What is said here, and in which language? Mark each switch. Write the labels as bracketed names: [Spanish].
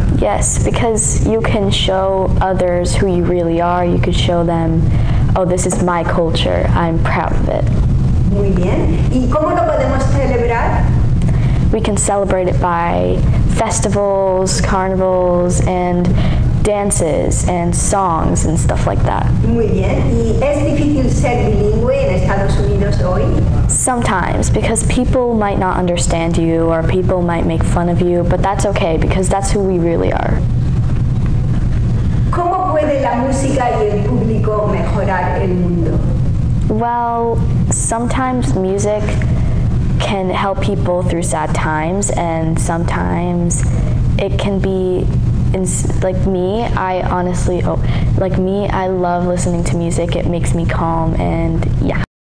[English] Yes, because you can show others who you really are. You could show them, oh, this is my culture. I'm proud of it. [Spanish] Mm-hmm. Muy bien. ¿Y cómo lo podemos celebrar? [English] We can celebrate it by festivals, carnivals, and dances and songs and stuff like that. [Spanish] Muy bien. ¿Y es difícil ser bilingüe en Estados Unidos hoy? [English] Sometimes, because people might not understand you or people might make fun of you, but that's okay because that's who we really are. [Spanish] ¿Cómo puede la música y el público mejorar el mundo? [English] Well, sometimes music can help people through sad times, and sometimes it can be I love listening to music. It makes me calm, and yeah.